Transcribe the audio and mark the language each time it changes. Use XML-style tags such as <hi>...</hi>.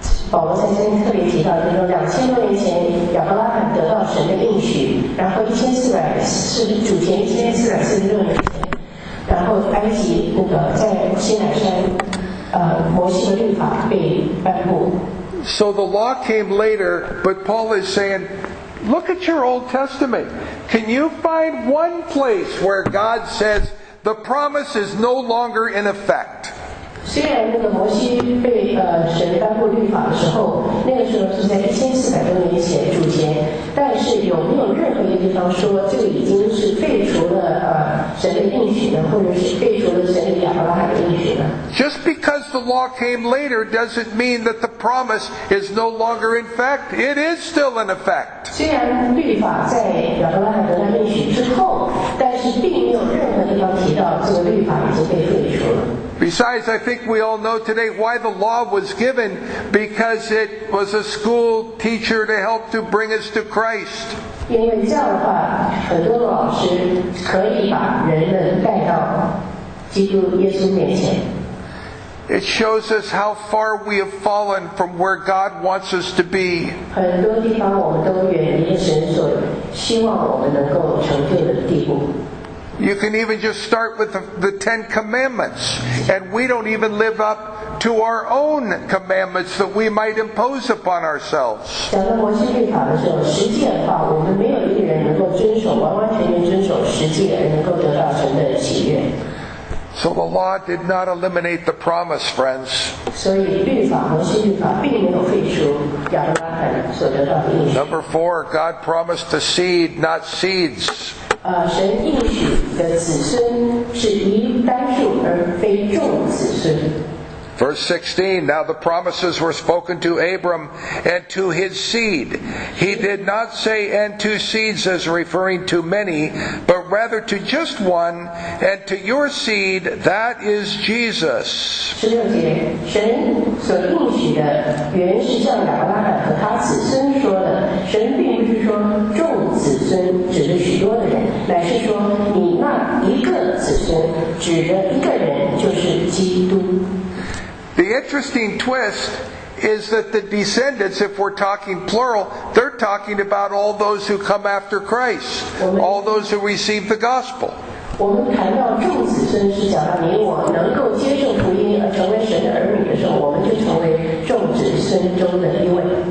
<zh>保罗在这里特别提到，就是两千多年前亚伯拉罕得到神的应许，然后1446年，然后埃及那个在西乃山，摩西的律法被颁布。</zh> <en>So the law came later, but Paul is saying, look at your Old Testament. Can you find one place where God says the promise is no longer in effect?</en> <zh>虽然那个摩西被神颁布律法的时候，那个时候是在1400多年前主前，但是有没有任何一个地方说这个已经是废除了神的应许呢，或者是废除了神的亚伯拉罕的应许呢？</zh> <en>Just because the law came later doesn't mean that the promise is no longer in effect. It is still in effect.</en> <zh>虽然律法在亚伯拉罕得到应许之后，但是并没有任何地方提到这个律法已经被废除了。</zh> <en>Besides, I think we all know today why the law was given, because it was a school teacher to help to bring us to Christ.</en> <zh>因为这样的话，很多老师可以把人们带到基督耶稣面前。</zh> <en>It shows us how far we have fallen from where God wants us to be.</en> <zh>很多地方我们都远离神所希望我们能够成就的地步。</zh> <en>You can even just start with the Ten Commandments, and we don't even live up to our own commandments that we might impose upon ourselves.</en> <zh>讲到摩西律法的时候，十诫的话，我们没有一个人能够遵守，完完全全遵守十诫，能够得到神的喜悦。</zh> <en>So the law did not eliminate the promise, friends.</en> <zh>所以律法，摩西律法并没有废除亚伯拉罕所得到的应许。</zh> <en>Number four, God promised the seed, not seeds.</en> <zh>神应许的子孙是一单数而非众子孙。</zh> <en>Verse 16, now the promises were spoken to Abram and to his seed. He did not say and to seeds as referring to many, but rather to just one, and to your seed, that is Jesus.</en> <zh>16节，神所应许的原是向亚伯拉罕和他子孙说的，神并不是说众子孙指的许多的人，乃是说你那一个子孙指的一个人就是基督。</zh> <en>The interesting twist is that the descendants, if we're talking plural, they're talking about all those who come after Christ, all those who receive the gospel.</en> <zh>我们谈到众子孙是讲到你我能够接受福音而成为神的儿女的时候，我们就成为众子孙中的一位。</zh>